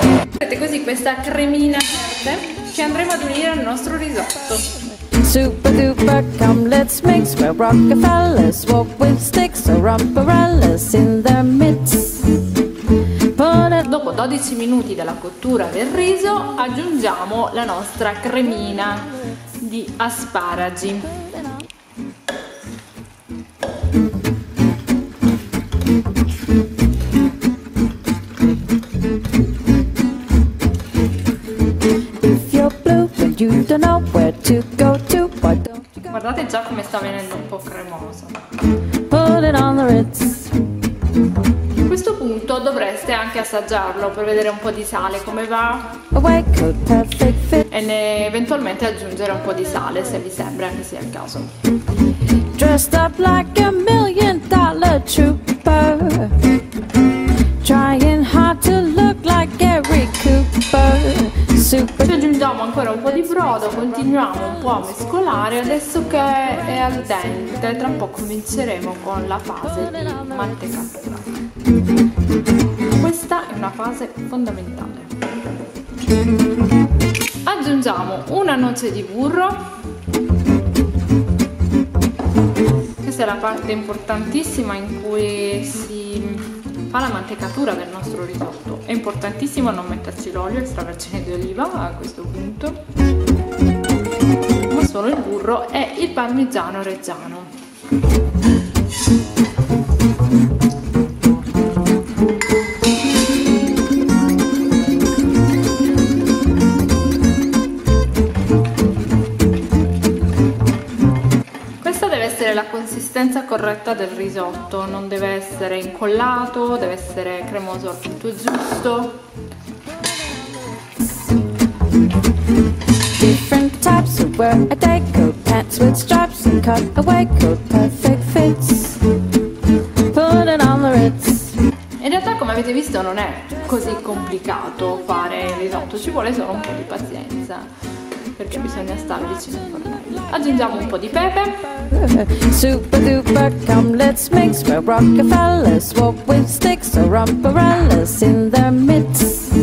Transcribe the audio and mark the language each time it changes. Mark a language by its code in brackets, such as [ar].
[it] Vedete così questa cremina verde che andremo ad unire al nostro risotto. [en] Super duper, come let's mix, we'll Rockefellers walk with sticks or umbrellas in their midst. [it] Dopo 12 minuti della cottura del riso aggiungiamo la nostra cremina di asparagi. [en] If you're blue and you don't know where to go. [it] Guardate già come sta venendo un po' cremoso. [en] Put it on the Ritz. [it] A questo punto dovreste anche assaggiarlo per vedere un po' di sale come va. E ne eventualmente aggiungere un po' di sale se vi sembra che sia il caso. [en] Dressed up like a million dollar trooper. Trying hard to look like Gary Cooper. [it] Ci aggiungiamo ancora un po' di brodo, continuiamo un po' a mescolare adesso che è al dente. Tra un po' cominceremo con la fase di mantecatura. Questa è una fase fondamentale. Aggiungiamo una noce di burro. Questa è la parte importantissima in cui si fa la mantecatura del nostro risotto. È importantissimo non metterci l'olio extravergine di oliva a questo punto, ma solo il burro e il parmigiano reggiano. La consistenza corretta del risotto non deve essere incollato, deve essere cremoso al punto giusto. [en] Different types of wear a day coat, pants with straps and cut away coat, perfect fits. Put it on the Ritz. [it] In realtà, come avete visto, non è così complicato fare il risotto, ci vuole solo un po' di pazienza, perché bisogna stare vicino al fornello. Aggiungiamo un po' di pepe. [en] Super duper, come let's mix, we'll Rockefellers walk with sticks or umbrellas in their midst.